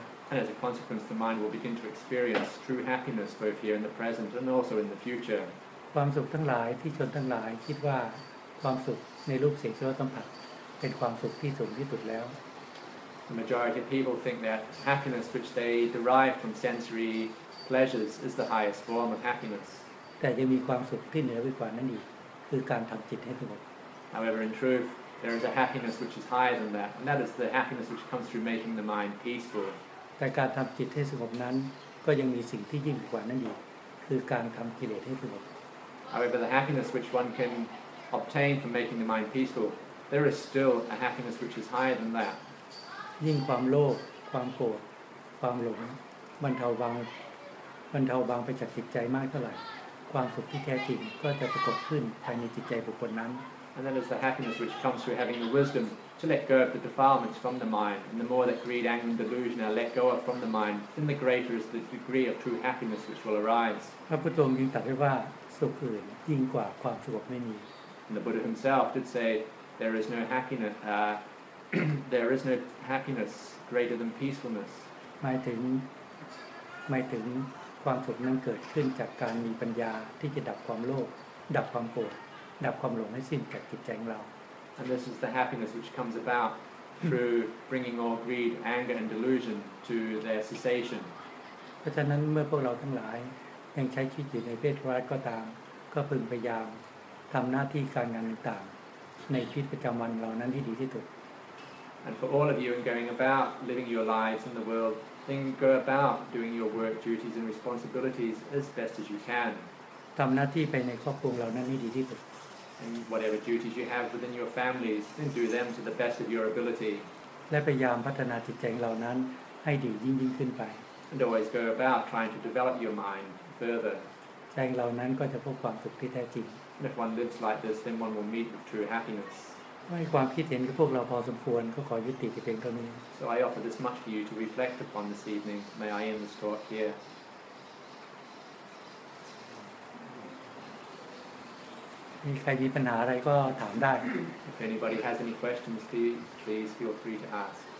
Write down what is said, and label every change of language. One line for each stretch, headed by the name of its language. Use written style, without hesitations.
English: And as a consequence, the mind will begin to experience true happiness both here in the present and also in the future.
Thai: ความสุขทั้งหลายที่ชนทั้งหลายคิดว่าความสุขในรูปเสียงเสื้อสัมผัสเป็นความสุขที่สูงที่สุดแล้ว
English: The majority of people think that happiness which they derive from sensory pleasures is the highest form of happiness.
Thai: แต่ยังมีความสุขที่เหนือไปกว่านั้นอีกคือการทำจิตให้สงบ
English: However, in truth, there is a happiness which is higher than that, and that is the happiness which comes through making the mind peaceful.
Thai: แต่การทำจิตให้สงบนั้นก็ยังมีสิ่งที่ยิ่งกว่านั้นอีกคือการทำกิเลสให้สงบ
English: However, the happiness which one can obtain from making the mind peaceful, there is still a happiness which is higher than that.
Thai: ยิ่งความโลภความโกรธความหลงบรรเทาบางไปจากจิตใจมากเท่าไหร่ ความสุขที่แท้จริงก็จะปรากฏขึ้นภายในจิตใจบุคคลนั้น
English: And that is the happiness which comes through having the wisdom to let go of the defilements from the mind. And the more that greed, anger, and delusion are let go of from the mind, then the greater is the degree of true happiness which will arise.
Thai: พระพุทธองค์ยิ่งตรัสว่าสุขอื่นยิ่งกว่าความสุขไม่มี
English: And the Buddha himself did say there is no happiness there is no happiness greater than peacefulness.
Thai: หมายถึงความสุขนั้นเกิดขึ้นจากการมีปัญญาที่จะดับความโลภดับความโกรธดับความหลงให้สิ้นจากจิตใจของเรา
English: And this is the happiness which comes about through bringing all greed, anger, and delusion to their cessation.
Thai: เพราะฉะนั้นเมื่อพวกเราทั้งหลายยังใช้ชีวิตอยู่ในเพศวัยก็ตามก็พึงพยายามทำหน้าที่การงานต่างๆในชีวิตประจำวันเรานั้นที่ดีที่สุด
English: And for all of you in going about living your lives in the world, then go about doing your work, duties, and responsibilities as best as you can.
Thai: ทำหน้าที่ไปในครอบครัวเรานั้นที่ดีที่สุด
English: And whatever duties you have within your families, then do them to the best of your ability.
Thai: และพยายามพัฒนาจิตใจเหล่านั้นให้ดียิ่งขึ้นไป
English: And always go about trying to develop your mind further.
Thai: ใจเหล่านั้นก็จะพบความสุขที่แท้จริง
English: And if one lives like this, then one will meet true happiness.
Thai: ให้ความคิดเห็นกับพวกเราพอสมควรก็ขอยุติเพียงเท่านี้
English: So I offer this much for you to reflect upon this evening. May I end this talk here.
Thai: มีใครมีปัญหาอะไรก็ถามได้
English: If anybody has any questions, please feel free to ask.